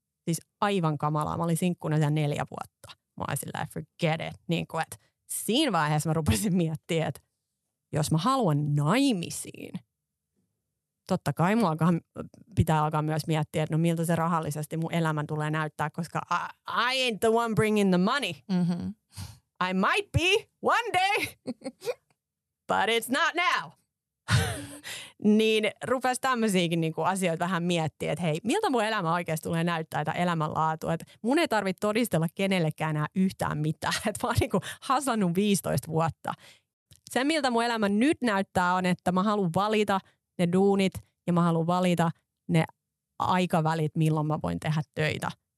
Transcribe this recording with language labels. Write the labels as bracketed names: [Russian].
[Finnish] Siis aivan kamalaa. Mä olin sinkkuna siellä 4 vuotta. Mä olin sillä, [English] forget it. [Finnish] Niin kuin, että siinä vaiheessa mä rupesin miettimään, että jos mä haluan naimisiin, totta kai mun alkaa, pitää alkaa myös miettiä, että no miltä se rahallisesti mun elämän tulee näyttää, koska [English] I ain't the one bringing the money. I might be one day, but it's not now. [Finnish] Niin rupesi tämmöisiäkin niinku asioita vähän miettiä, että hei, miltä mun elämä oikeasti tulee näyttää tätä elämänlaatua. Et mun ei tarvitse todistella kenellekään enää yhtään mitään. Et mä oon niinku hasannut 15 vuotta. Se, miltä mun elämä nyt näyttää, on, että mä haluan valita ne duunit ja mä haluan valita ne aikavälit, milloin mä voin tehdä töitä.